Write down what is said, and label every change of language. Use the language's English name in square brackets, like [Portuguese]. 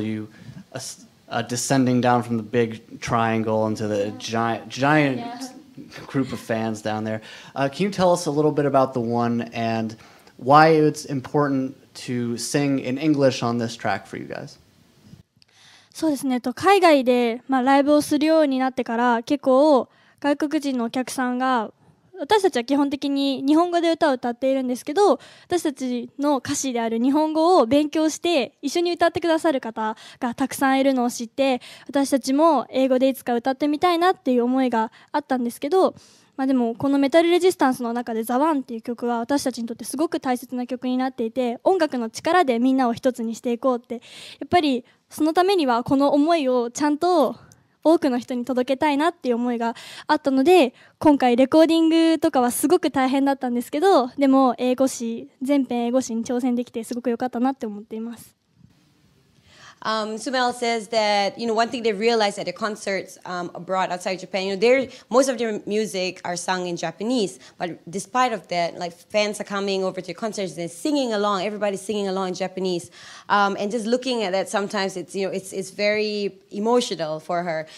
[English] You descending down from the big triangle into the giant group of fans down there. Can you tell us a little bit about The One and why it's important to sing in English on this track for you guys? [Japanese] そうですね。海外で、まあ、ライブをするようになってから、結構外国人のお客さんが私たちは基本的に日本語で歌を歌っているんですけど、私たちの歌詞である日本語を勉強して一緒に歌ってくださる方がたくさんいるのを知って、私たちも英語でいつか歌ってみたいなっていう思いがあったんですけど、まあ、でもこのメタルレジスタンスの中で The One っていう曲は私たちにとってすごく大切な曲になっていて、音楽の力でみんなを一つにしていこうって、やっぱりそのためにはこの思いをちゃんと多くの人に届けたいなっていう思いがあったので、今回レコーディングとかはすごく大変だったんですけど、でも英語詞、全編英語詞に挑戦できてすごく良かったなって思っています。 [English] Sumail says that, you know, one thing they realized at their concerts abroad outside Japan, you know, they're, most of their music are sung in Japanese, but despite of that, like, fans are coming over to their concerts and singing along, everybody's singing along in Japanese. And just looking at that, sometimes it's, you know, it's very emotional for her.